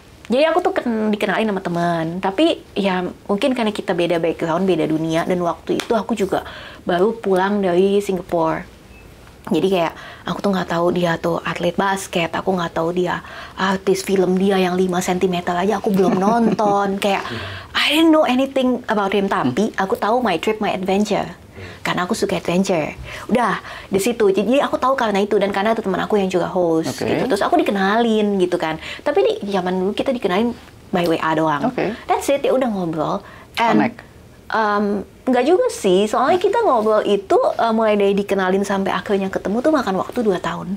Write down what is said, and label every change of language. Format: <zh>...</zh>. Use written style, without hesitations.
<id>Jadi aku tuh dikenalin sama teman, tapi ya mungkin karena kita beda background, beda dunia, dan waktu itu aku juga baru pulang dari Singapore. Jadi kayak aku tuh nggak tahu dia tuh atlet basket, aku nggak tahu dia artis, film dia yang 5 cm aja aku belum nonton. Kayak</id> <en>I didn't know anything about him,</en> <id>tapi aku tahu</id> <en>my trip, my adventure.</en> <id>Karena aku suka adventure. Udah, di situ. Jadi aku tahu karena itu dan karena ada teman aku yang juga host.</id> <en>Okay.</en> <id>Gitu. Terus aku dikenalin gitu kan. Tapi di zaman dulu kita dikenalin by WA doang.</id> <en>Okay. That's it,</en> <id>ya udah ngobrol.</id> <en>And</en> <id>nggak juga sih, soalnya kita ngobrol itu mulai dari dikenalin sampai akhirnya ketemu tuh makan waktu 2 tahun.</id>